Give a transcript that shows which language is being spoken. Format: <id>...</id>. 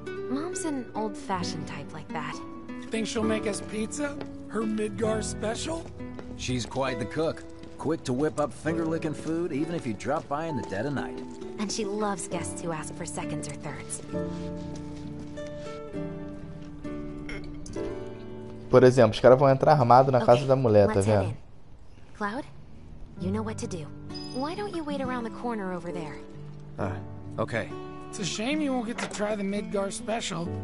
<en>Mom's an old-fashioned type like that. Think she'll make us pizza? Her Midgar special? She's quite the cook. Quick to whip up finger-licking food, even if you drop by in the dead of night. And she loves guests who ask for seconds or thirds.</en> <pt>Por exemplo, os caras vão entrar armado na casa da mulher, tá vendo?</pt> <en>Cloud, you know what to do. Why don't you wait around the corner over there? Okay. It's a shame you won't get to try the Midgar special.</en>